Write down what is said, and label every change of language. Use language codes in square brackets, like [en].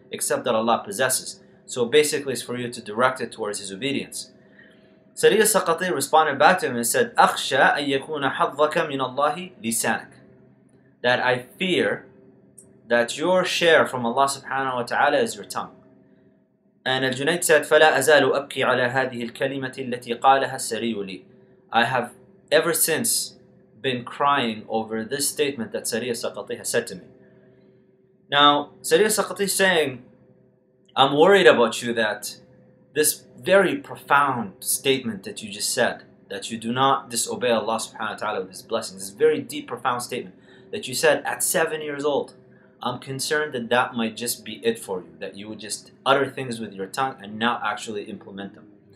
[en] except that Allah possesses. So basically, it's for you to direct it towards his obedience. Sariya Saqati responded back to him and said, [ar] أَخْشَىٰ أَن يَكُونَ حَظَّكَ مِنَ اللَّهِ لِسَانَكَ. [en] That I fear that your share from Allah subhanahu wa ta'ala is your tongue. And Al-Junayd said, [ar] فَلَا أَزَالُ أَبْكِي عَلَىٰ هَذِهِ الْكَلِمَةِ الَّتِي قَالَهَا السَّرِيُّ لِي. [en] I have ever since been crying over this statement that Sariya Saqati has said to me. Now, Sariya Saqati is saying, I'm worried about you that this very profound statement that you just said, that you do not disobey Allah subhanahu wa ta'ala with his blessings, this very deep, profound statement that you said at 7 years old, I'm concerned that that might just be it for you, that you would just utter things with your tongue and not actually implement them.